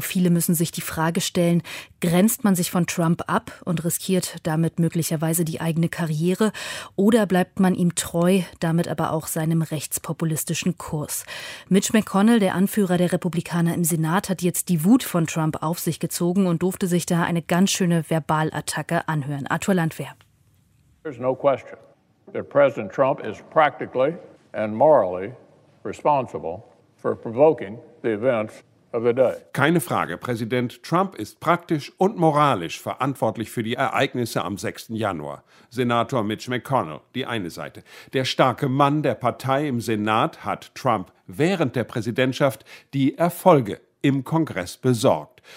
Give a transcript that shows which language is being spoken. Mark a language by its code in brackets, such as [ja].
[de] Viele müssen sich die Frage stellen, grenzt man sich von Trump ab und riskiert damit möglicherweise die eigene Karriere oder bleibt man ihm treu, damit aber auch seinem rechtspopulistischen Kurs? Mitch McConnell, der Anführer der Republikaner im Senat, hat jetzt die Wut von Trump auf sich gezogen und durfte sich da eine ganz schöne Verbalattacke anhören. Arthur Landwehr. [en] There's no question that President Trump is practically and morally responsible for provoking the events of the day. [de] Keine Frage, Präsident Trump ist praktisch und moralisch verantwortlich für die Ereignisse am 6. Januar. Senator Mitch McConnell, die eine Seite. Der starke Mann der Partei im Senat hat Trump während der Präsidentschaft die Erfolge im Kongress besorgt.